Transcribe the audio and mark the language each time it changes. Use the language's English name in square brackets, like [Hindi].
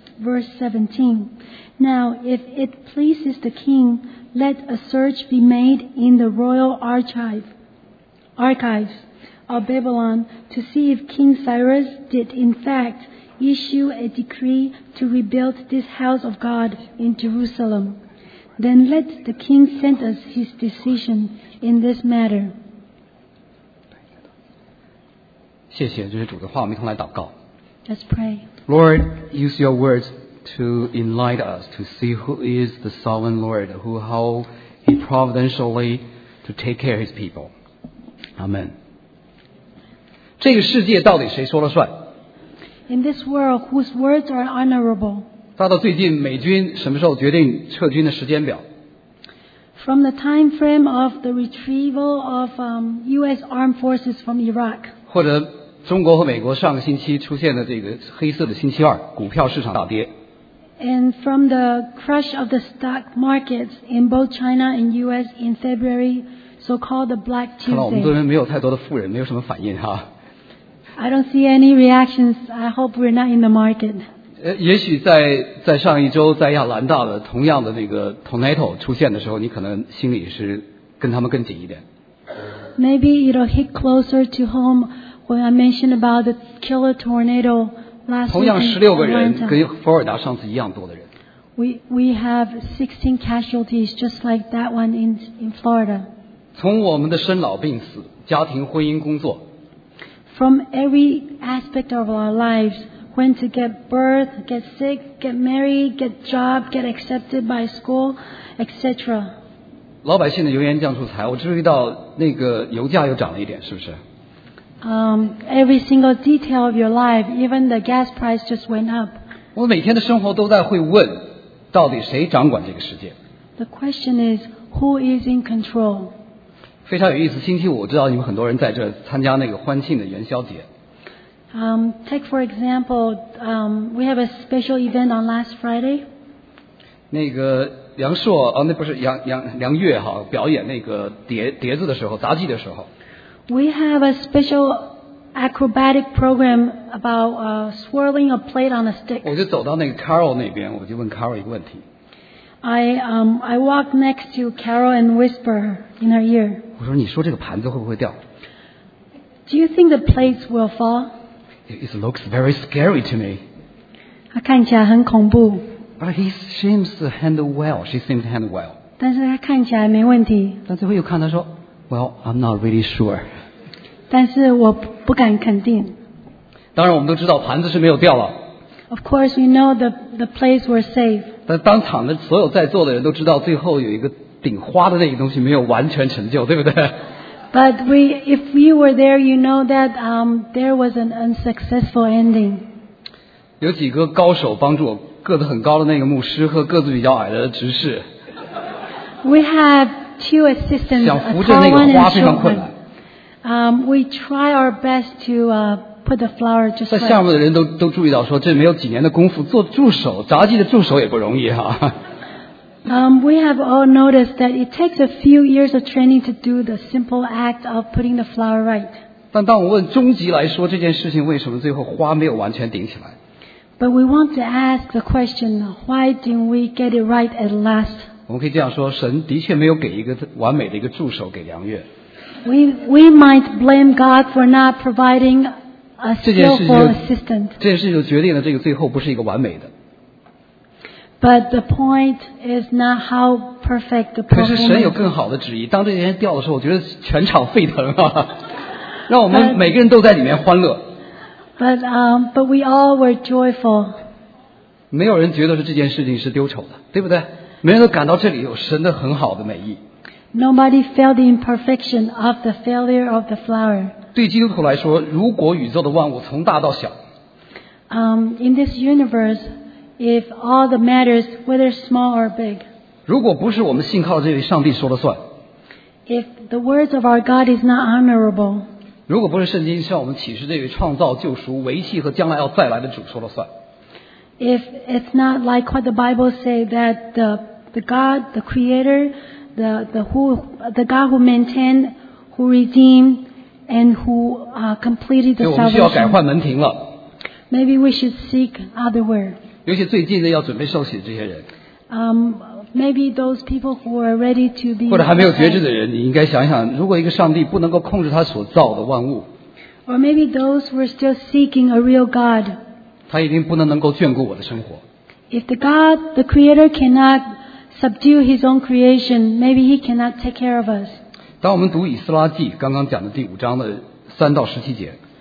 [English] Verse 17. Now, if it pleases the king, let a search be made in the royal archives of Babylon to see if King Cyrus did in fact issue a decree to rebuild this house of God in Jerusalem. Then let the king send us his decision in this matter. [Chinese] 谢谢，这是主的话，我们一同来祷告。 [English] Let's pray. Lord, use your words to enlighten us to see who is the sovereign Lord, who how he providentially to take care of his people. Amen. [Chinese] 这个世界到底谁说了算？ [English] In this world, whose words are honorable? [Chinese] 到最近美军什么时候决定撤军的时间表？ [English] From the time frame of the retrieval of U.S. armed forces from Iraq. [Chinese] 或者中国和美国上个星期出现的这个黑色的星期二，股票市场大跌。 [English] And from the crash of the stock markets in both China and US in February, so-called the Black Tuesday. [Chinese] 看到我们这边没有太多的富人，没有什么反应哈。 [English] I don't see any reactions. I hope we're not in the market. [Chinese] 也许在上一周在亚特兰大的同样的那个 tornado 出现的时候，你可能心里是跟他们更紧一点。 [English] Maybe it'll hit closer to home when I mentioned about the killer tornado last week. [Chinese] 同样16个人，跟佛罗里达上次一样多的人。 [English] We have 16 casualties just like that one in Florida. [Chinese] 从我们的生老病死、家庭、婚姻、工作。 [English] From every aspect of our lives, when to get birth, get sick, get married, get job, get accepted by school, etc. [Chinese] 老百姓的油盐酱醋财，我注意到那个油价又涨了一点，是不是？ [English] Every single detail of your life, even the gas price just went up. [Chinese] 我每天的生活都在会问，到底谁掌管这个世界？ [English] The question is, who is in control? [Chinese] 非常有意思，星期五我知道你们很多人在这参加那个欢庆的元宵节。 [English] Take for example, we have a special event on last Friday. [Chinese] 那个梁硕哦，那不是梁月哈，表演那个碟子的时候，杂技的时候。 [English] We have a special acrobatic program about swirling a plate on a stick. [Chinese] 我就走到那个 Carol 那边，我就问 Carol 一个问题。 [English] I walk next to Carol and whisper in her ear. [Chinese] 我说你说这个盘子会不会掉？ [English] Do you think the plates will fall? It looks very scary to me. [Chinese] 他看起来很恐怖。 [English] But he seems to handle well. She seems to handle well. [Chinese] 但是他看起来没问题。但最后又看他说 ， [English] Well, I'm not really sure. [Chinese] 但是我不敢肯定。当然，我们都知道盘子是没有掉了。 [English] Of course, you know the plates were safe. [Chinese] 但当场的所有在座的人都知道，最后有一个顶花的那个东西没有完全成就，对不对 [English] ？But we, if you were there, you know that there was an unsuccessful ending. [Chinese] 有几个高手帮助我，个子很高的那个牧师和个子比较矮的执事。 [English] We have two assistants. [Chinese] 想扶着那个花非常困难。 [English] We try our best to. Put the flower just [Chinese] 在下面的人都注意到说，这没有几年的功夫，做助手、杂技的助手也不容易哈、啊。 [English] We have all noticed that it takes a few years of training to do the simple act of putting the flower right. [Chinese] 但当我问终极来说这件事情为什么最后花没有完全顶起来 [English] ？But we want to ask the question, why didn't we get it right at last? [Chinese] 我们可以这样说，神的确没有给一个完美的一个助手给梁月。 [English] We might blame God for not providingA skillful assistant. [Chinese] 这件事情就决定了这个最后不是一个完美的。 [English] But the point is not how perfect the performance. [Chinese] 可是神有更好的旨意。当这件事掉的时候，我觉得全场沸腾啊，让我们每个人都在里面欢乐。 [English] But we all were joyful. [Chinese] 没有人觉得是这件事情是丢丑的，对不对？没人都感到这里有神的很好的美意。 [English] Nobody felt the imperfection of the failure of the flower. [Chinese] 对基督徒来说，如果宇宙的万物从大到小 [English] ，In this universe, if all the matters, whether small or big, [Chinese] 如果不是我们信靠这位上帝说了算 [English] ，If the words of our God is not honorable, [Chinese] 如果不是圣经向我们启示这位创造、救赎、维系和将来要再来的主说了算 [English] ，If it's not like what the Bible say that the God, the Creator, the God who maintained, who redeemed. And who completed the salvation? [Chinese] 我们需要改换门庭了。 [English] Maybe we should seek other word. [Chinese] 尤其最近的要准备受洗的这些人。 [English] Maybe those people who are ready to be. [Chinese] 或者还没有觉知的人，你应该想想，如果一个上帝不能够控制他所造的万物。 [English] Or maybe those who are still seeking a real God. [Chinese] 他一定不能够眷顾我的生活。 [English] If the God, the Creator, cannot subdue His own creation, maybe He cannot take care of us. [Chinese] 当我们读以斯拉记刚刚讲的第五章的三到十七节